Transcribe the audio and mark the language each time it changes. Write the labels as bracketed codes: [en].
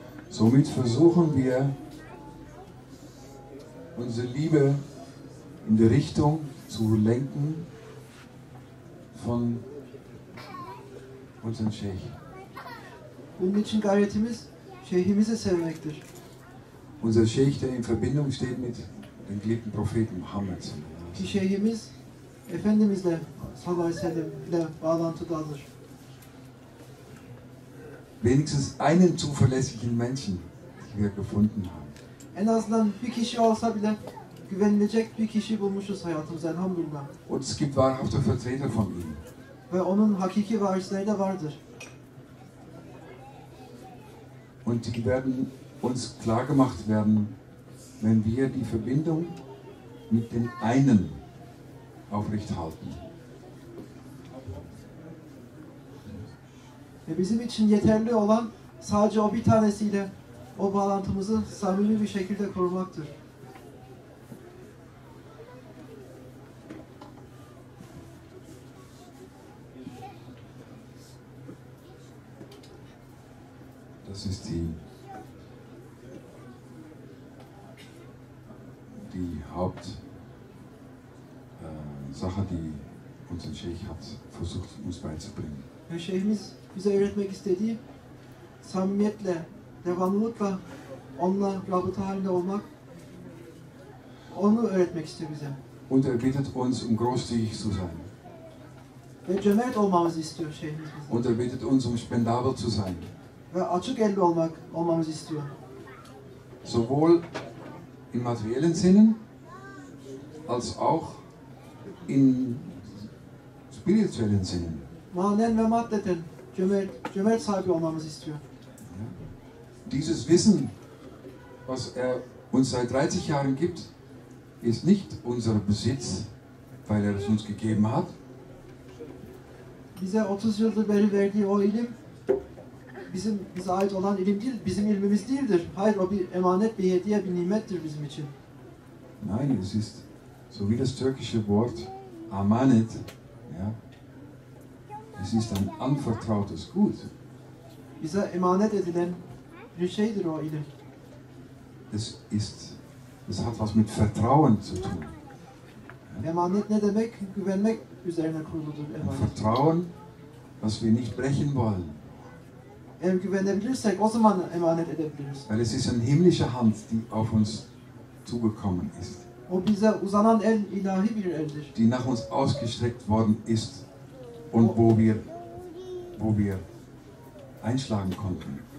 [de] Somit versuchen wir, unsere Liebe in die Richtung zu lenken von unserem Scheich. [tr] Bunun için gayretimiz şeyhimizi sevmektir. [de] Unser Scheich, der in Verbindung steht mit dem geliebten Propheten Muhammed. [tr] Ki şeyhimiz Efendimizle sallallahu aleyhi ve sellem ile bağlantıdadır. [de] Wenigstens einen zuverlässigen Menschen, den wir gefunden haben. [tr] En azından bir kişi olsa bile güvenilecek bir kişi bulmuşuz hayatımızda elhamdülillah. [de] Und es gibt wahrhafte Vertreter von ihm. [tr] Ve onun hakiki varisleri de vardır. [de] Und die werden uns klar gemacht werden, wenn wir die Verbindung mit dem einen aufrecht halten. [tr] Ve bizim için yeterli olan sadece o bir tanesiyle o bağlantımızı samimi bir şekilde korumaktır. [de] Das ist die Haupt Sache, die unser Sheikh hat versucht uns beizubringen. [tr] Herr Sheikhimiz bize öğretmek istediği samimiyetle, devamlılıkla onunla rabıta halinde olmak, onu öğretmek istiyor bize. [de] Und bittet uns großzügig zu sein. [tr] Ve cömert olmamızı istiyor Sheikhimiz bize. [de] Und bittet uns spendabel zu sein. [tr] Ve açık elli olmak olmamızı istiyor. [de] Sowohl im materiellen Sinnen als auch in spirituellen Sinnen. [tr] Manen ve maddeten cömert sahibi olmamızı istiyor. [de] Dieses Wissen, was uns seit 30 Jahren gibt, ist nicht unser Besitz, weil es uns gegeben hat. [tr] Bize 30 yıldır beri verdiği o ilim, bize ait olan ilim değil, bizim ilmimiz değildir. Hayır, o bir emanet, bir hediye, bir nimettir bizim için. [de] Nein, es ist so wie das türkische Wort Amanet, ja, es ist ein anvertrautes Gut. [tr] Bize emanet edilen bir şeydir o ilim. [de] Es hat was mit Vertrauen zu tun. [tr] Emanet ne demek? Güvenmek üzerine kuruludur emanet. [de] Vertrauen, was wir nicht brechen wollen. [tr] Eğer güvenebilirsek o zaman emanet edebiliriz. [de] Weil es ist eine himmlische Hand, die auf uns zugekommen ist. [tr] O bize uzanan el ilahi bir eldir. [de] Die nach uns ausgestreckt worden ist und wo wir einschlagen konnten.